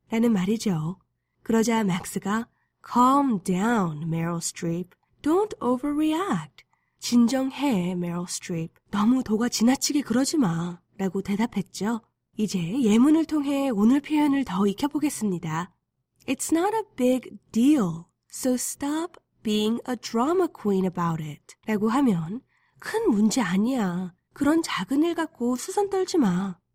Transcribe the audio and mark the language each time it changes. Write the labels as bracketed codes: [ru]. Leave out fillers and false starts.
[ko] 라는 말이죠. 그러자 맥스가 [en] Calm down, [ko] Meryl Streep. [en] Don't overreact. [ko] 진정해, [en] Meryl Streep. [ko] 너무 도가 지나치게 그러지 마. 라고 대답했죠. 이제 예문을 통해 오늘 표현을 더 익혀보겠습니다. [en] It's not a big deal, so stop being a drama queen about it. [ko] 라고 하면 큰 문제 아니야. 그런 작은 일 갖고 수선 떨지 마.